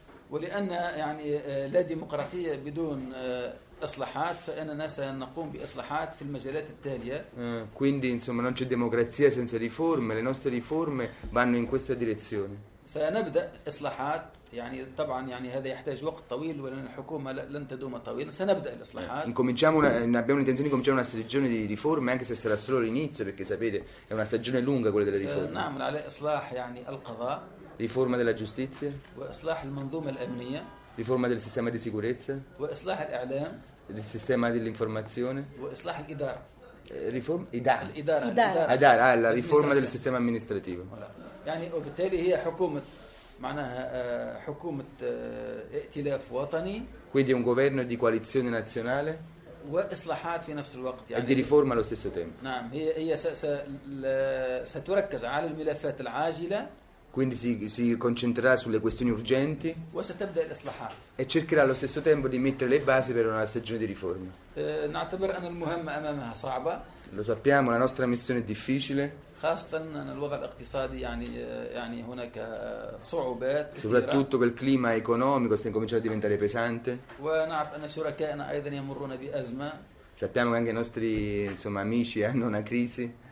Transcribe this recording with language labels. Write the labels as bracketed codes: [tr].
[ar] ولأن يعني لا ديمقراطية بدون إصلاحات فإننا سنقوم بإصلاحات في المجالات التالية. [it] Quindi insomma non c'è democrazia senza riforme, le nostre riforme vanno in questa direzione. [ar] سنبدأ إصلاحات يعني طبعا يعني هذا يحتاج وقت طويل ولأن الحكومة لن تدوم طويلا سنبدأ الإصلاحات. [it] Incominciamo abbiamo l'intenzione di cominciare una stagione di riforme anche se sarà solo l'inizio perché sapete è una stagione lunga quella delle riforme. [ar] سنعمل على إصلاح يعني القضاء. [it] Riforma della giustizia. [ar] وإصلاح المنظومة الأمنية. [it] Riforma del sistema di sicurezza. [ar] وإصلاح الإعلام. [it] Del sistema dell'informazione. [ar] وإصلاح الإدارة. [it] La riforma del sistema amministrativo. [ar] يعني وبالتالي هي حكومة معناها حكومة ائتلاف وطني. [it] Quindi un governo di coalizione nazionale. [ar] وإصلاحات في نفس الوقت يعني. [it] E di riforma allo stesso tempo. [ar] نعم هي ستركز على الملفات العاجلة. [it] Quindi si concentrerà sulle questioni urgenti e cercherà allo stesso tempo di mettere le basi per una stagione di riforme. Lo sappiamo, la nostra missione è difficile. [ar] خاصة أن الوضع الاقتصادي يعني هناك صعوبات. [it] Soprattutto quel clima economico sta incominciando a diventare pesante. [ar] ونعرف أن شركائنا أيضا يمرون بأزمة. [it] Sappiamo che anche i nostri insomma amici hanno una crisi.